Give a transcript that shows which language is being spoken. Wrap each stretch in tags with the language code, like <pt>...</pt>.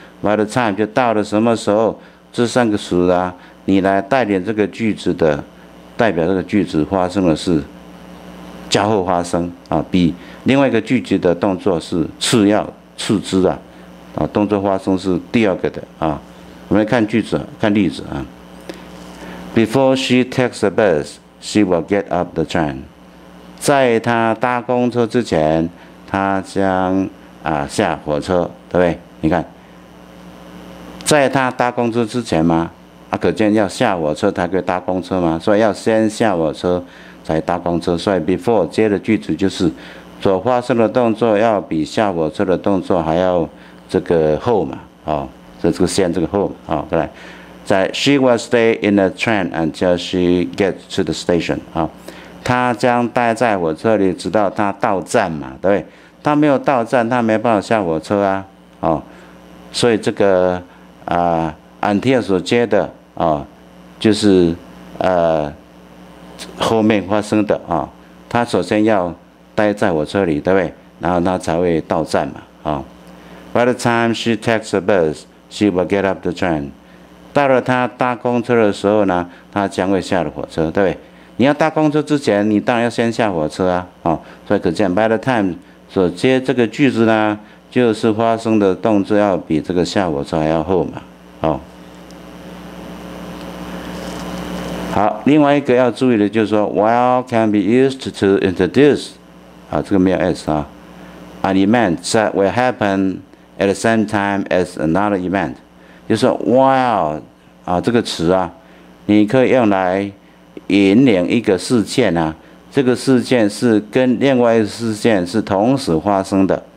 <zh>By the time 就到了什么时候，这三个词啊，你来带领这个句子的，代表这个句子发生的是交互发生啊，比另外一个句子的动作是次要次之啊，啊，动作发生是第二个的啊。我们来看句子，看例子啊。</zh> <en>Before she takes the bus, she will get off the train。</en> <zh>在她搭公车之前，她将啊下火车，对不对？你看。在他搭公车之前吗？啊，可见要下火车才可以搭公车吗？所以要先下火车才搭公车。所以 before 接的句子就是所发生的动作要比下火车的动作还要这个后嘛，哦，所以这个先这个后嘛，哦，对。在</zh> <en>she will stay in the train until she gets to the station，</en> <zh>啊、哦，他将待在火车里直到他到站嘛，对不对？他没有到站，他没办法下火车啊，哦，所以这个。 until 所接的啊、哦，就是后面发生的啊、哦，他首先要待在我车里，对不对？然后他才会到站嘛，啊、哦。</zh> <en>By the time she takes the bus, she will get off the train。</en> <zh>到了他搭公车的时候呢，他将会下了火车，对不对？你要搭公车之前，你当然要先下火车啊，啊、哦。所以可见 ，by the time 所接这个句子呢。就是发生的动作要比这个下火车还要后嘛，哦，好，另外一个要注意的就是说 ，</zh> <en>while can be used to introduce，</en> <zh>啊，这个没有 s 啊 ，</zh> <en>an event that will happen at the same time as another event，</en> <zh>就是说 while 啊这个词啊，你可以用来引领一个事件啊，这个事件是跟另外一个事件是同时发生的。</zh>